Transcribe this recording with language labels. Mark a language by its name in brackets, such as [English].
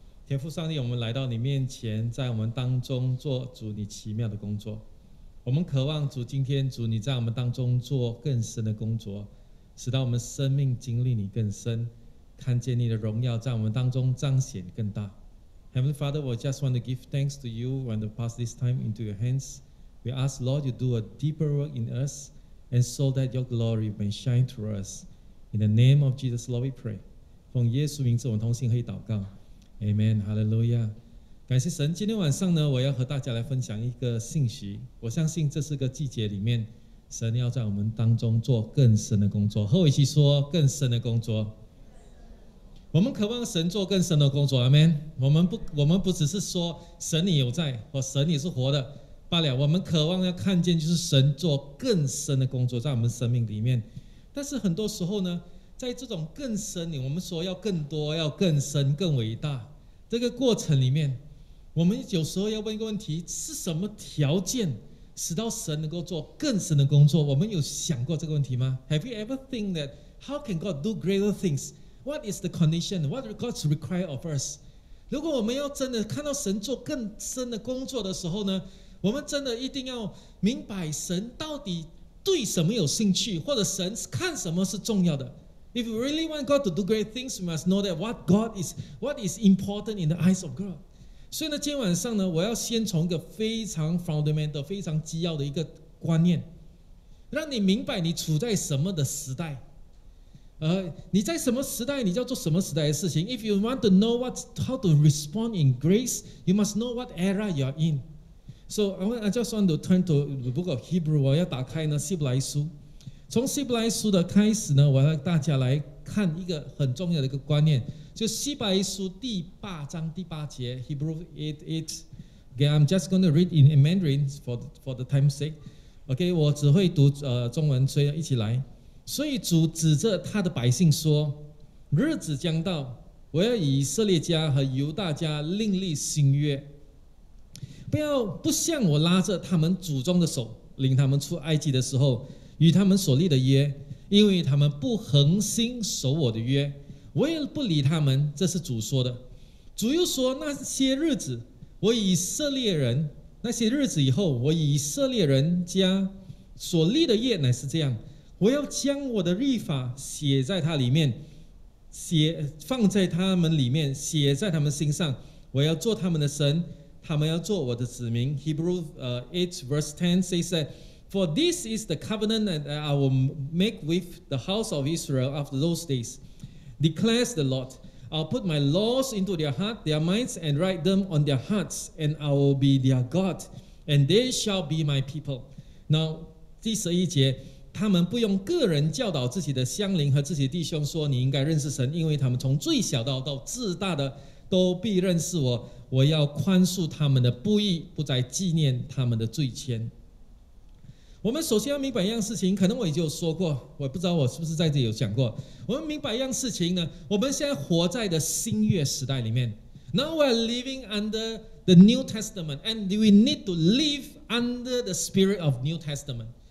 [Chinese] 天父上帝，我们来到你面前，在我们当中做主你奇妙的工作。我们渴望主今天主你在我们当中做更深的工作，使到我们生命经历你更深，看见你的荣耀在我们当中彰显更大。 [English] Heavenly Father, we just want to give thanks to you and to pass this time into your hands. We ask, Lord, you do a deeper work in us and so that your glory may shine through us. In the name of Jesus, Lord, we pray. [Chinese] 奉耶稣名字我们同心可以祷告。 [English] Amen, Hallelujah. [Chinese] 感谢神，今天晚上呢，我要和大家来分享一个信息。我相信这是个季节里面，神要在我们当中做更深的工作。和我一起说，更深的工作。我们渴望神做更深的工作， Amen。我们不只是说神你有在或神你是活的罢了，我们渴望要看见就是神做更深的工作在我们生命里面。但是很多时候呢，在这种更深里，我们说要更多，要更深，更伟大，这个过程里面，我们有时候要问一个问题，是什么条件使到神能够做更深的工作？我们有想过这个问题吗？ [English] Have you ever think that how can God do greater things? What is the condition? What God's require of us? [Chinese] 如果我们要真的看到神做更深的工作的时候呢，我们真的一定要明白神到底对什么有兴趣，或者神看什么是重要的。 [English] If we really want God to do great things, we must know that what is important in the eyes of God. [Chinese] 所以呢，今天晚上呢，我要先从一个非常 fundamental、非常基要的一个观念，让你明白你处在什么的时代。你在什么时代，你就要做什么时代的事情。 [English] If you want to know how to respond in grace, you must know what era you are in. So I just want to turn to the book of Hebrew. [Chinese] 我要打开呢希伯来书。从希伯来书的开始呢，我要大家来看一个很重要的一个观念，就希伯来书第八章第八节 ，Hebrew 8:8. [English] Okay, I'm just going to read in Mandarin for the time's sake. [Chinese] Okay, 我只会读中文，所以一起来。所以主指着他的百姓说，日子将到，我要以色列家和犹大家另立新约，不像我拉着他们祖宗的手领他们出埃及的时候与他们所立的约，因为他们不恒心守我的约，我也不理他们。这是主说的。主又说，那些日子以后我以色列人家所立的约乃是这样，我要将我的律法写在他里面，放在他们里面，写在他们心上。我要做他们的神，他们要做我的子民。 [English] Hebrews 8:10 says that, For this is the covenant that I will make with the house of Israel after those days, declares the Lord. I'll put my laws into their heart, their minds, and write them on their hearts, and I will be their God, and they shall be my people. [Chinese] Now, 第十一节。他们不用个人教导自己的乡邻和自己的弟兄说你应该认识神，因为他们从最小到至大的都必认识我。我要宽恕他们的不义，不再纪念他们的罪愆。我们首先要明白一样事情，可能我已经有说过，我不知道我是不是在这里有讲过。我们明白一样事情呢，我们现在活在的新约时代里面。 [English] Now we are living under the New Testament, and we need to live under the spirit of New Testament.